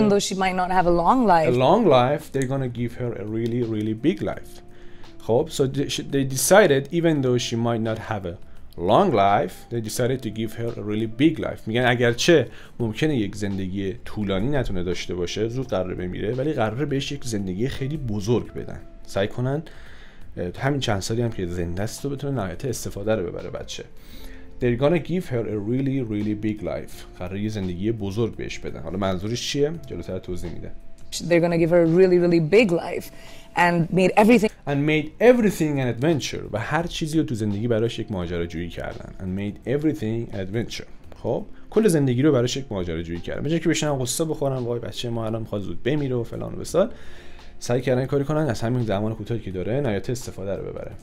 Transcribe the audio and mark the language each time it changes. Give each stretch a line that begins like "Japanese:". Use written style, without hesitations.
English: even though she might not have a long life, a long life, they're gonna give her a really really big life. خب so they decided even though she might not have a long life, they decided to give her a really big life.
Persian: میگن اگر چه ممکنه یک زندگی طولانی نتونه داشته باشه, زود قراره بمیره, ولی قراره بهش یک زندگی خیلی بزرگ بدن, سعی کنن همین چند سالی هم که زنده است رو بتونه نهایت استفاده رو ببره بچه.
English: They're gonna give her a really really big life.
Persian: قراره یه زندگی بزرگ بهش بدن. حالا منظورش چیه؟ جلوتر توضیح میده.
English: They're gonna give her a really really big life and made everything an adventure.
Persian: و هر چیزی رو تو زندگی براش یک ماجراجویی کردن.
English: And made everything an adventure.
Persian: خب کل زندگی رو براش یک ماجراجویی کردن. بجای که بشن غصه بخورن, وای بچه ما الان میخواد زود بمیره و فلان و بسار, سعی کردن کاری کنن از همین زمان کوتاهی که داره نهایت استفاده رو ببره.